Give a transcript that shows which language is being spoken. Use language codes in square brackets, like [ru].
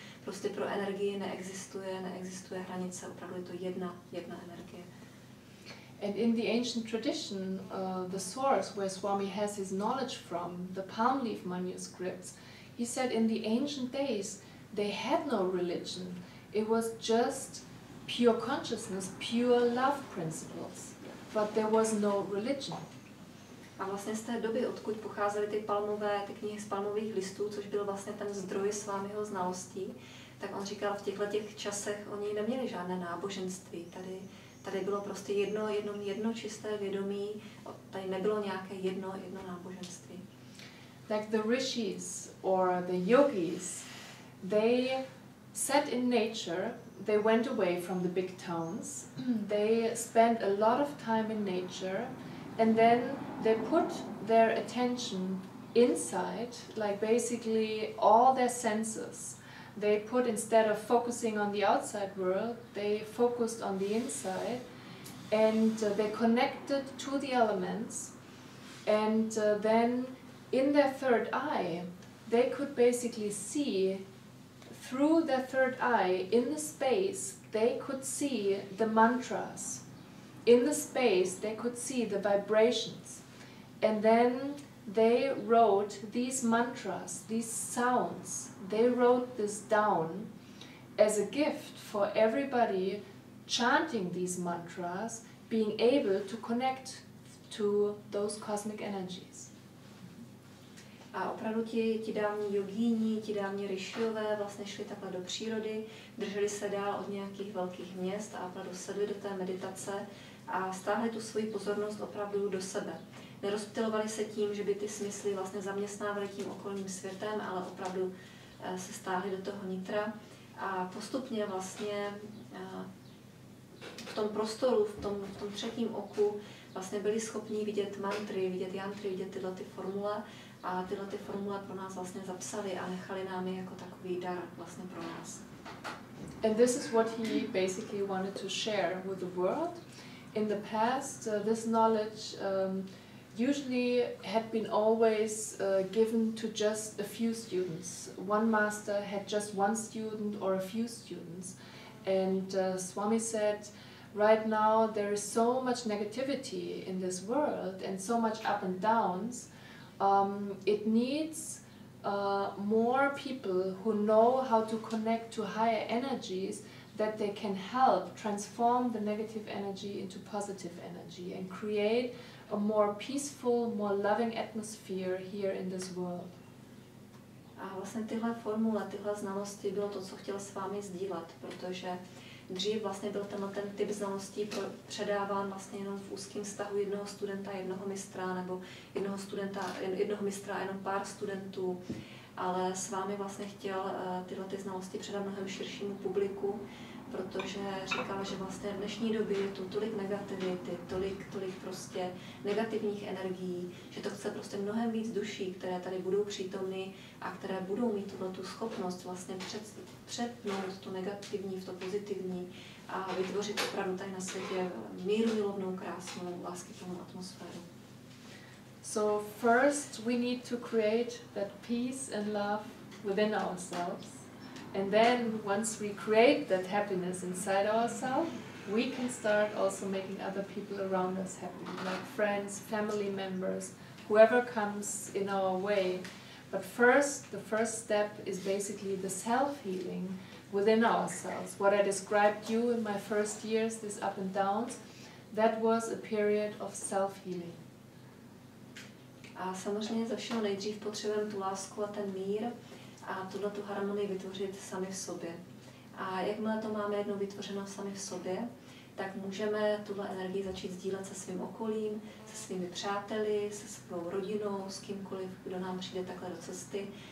[cs] Prostě pro energii neexistuje hranice, opravdu je to jedna energie. [en] And in the ancient tradition, the source where Swami has his knowledge from, the palm leaf manuscripts, he said in the ancient days they had no religion. It was just pure consciousness, pure love principles. But there was no religion. [cs] A vlastně z té doby, odkud pocházely ty knihy z palmových listů, což byl vlastně ten zdroj Swamiho znalostí, tak on říkal, v těch časech oni neměli žádné náboženství. Tady bylo prostě jedno čisté vědomí, tady nebylo nějaké jedno náboženství. [en] Like the rishis or the yogis, they sat in nature, they went away from the big towns, they spent a lot of time in nature, and then they put their attention inside, like basically all their senses. They put, instead of focusing on the outside world, they focused on the inside, and they connected to the elements, and then in their third eye, they could basically see, through their third eye, in the space, they could see the mantras. In the space, they could see the vibrations. And then they wrote these mantras, these sounds, they wrote this down as a gift for everybody chanting these mantras, being able to connect to those cosmic energies. [cs] A opravdu ti dávní jogíni, ti dávní rishiové vlastně šli takhle do přírody, drželi se dál od nějakých velkých měst a opravdu sedli do té meditace a stáhli tu svoji pozornost opravdu do sebe. Nerozptylovali se tím, že by ty smysly vlastně zaměstnávali tím okolním světem, ale opravdu se stáhli do toho nitra a postupně vlastně v tom prostoru, v tom třetím oku vlastně byli schopni vidět mantry, vidět jantry, vidět tyhle ty formule a tyhle ty formule pro nás vlastně zapsali a nechali nám je jako takový dar vlastně pro nás. [en] And this is what he basically wanted to share with the world. In the past, this knowledge usually had been always given to just a few students. One master had just one student or a few students. And Swami said, right now there is so much negativity in this world and so much up and downs. It needs more people who know how to connect to higher energies that they can help transform the negative energy into positive energy and create a more peaceful, more loving atmosphere here in this world. [cs] A vlastně tyhle formule, tyhle znalosti bylo to, co chtěl s vámi sdílet, protože dřív vlastně byl ten typ znalostí předáván vlastně jenom v úzkém vztahu jednoho studenta, jednoho mistra, nebo jednoho mistra, jenom pár studentů. Ale s vámi vlastně chtěl tyhle ty znalosti předat mnohem širšímu publiku, protože říkal, že vlastně v dnešní době je tu tolik negativity, tolik prostě negativních energií, že to chce prostě mnohem víc duší, které tady budou přítomny a které budou mít tu schopnost vlastně přetnout to negativní v to pozitivní a vytvořit opravdu tady na světě mírumilovnou, krásnou, láskyplnou atmosféru. [en] So first we need to create that peace and love within ourselves. And then once we create that happiness inside ourselves, we can start also making other people around us happy, like friends, family members, whoever comes in our way. But first, the first step is basically the self-healing within ourselves. What I described you in my first years, this up and downs, that was a period of self-healing. [cs] A samozřejmě ze všeho nejdřív potřebujeme tu lásku a ten mír a tuto tu harmonii vytvořit sami v sobě. A jakmile to máme jednou vytvořeno sami v sobě, tak můžeme tuhle energii začít sdílet se svým okolím, se svými přáteli, se svou rodinou, s kýmkoliv, kdo nám přijde takhle do cesty.